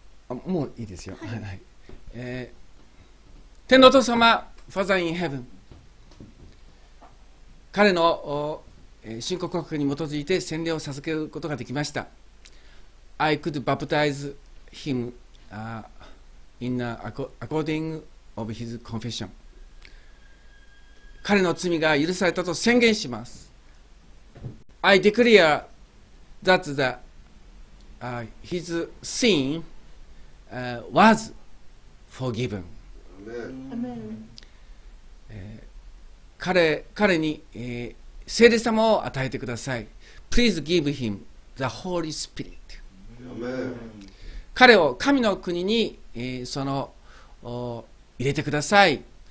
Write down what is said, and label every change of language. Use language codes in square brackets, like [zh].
[ja] あもういいですよ。はい、はい、天の父様、 [en] Father in Heaven。 [ja] 彼の信仰告白に基づいて洗礼を授けることができました。 [en] I could baptize him in according of his confession. [ja] 彼の罪が許されたと宣言します。 [en] I declare that the, his sin was forgiven. Amen. [ja] 彼に、聖霊様を与えてください。 [en] Please give him the Holy Spirit. Amen. [ja] 彼を神の国に、入れてください。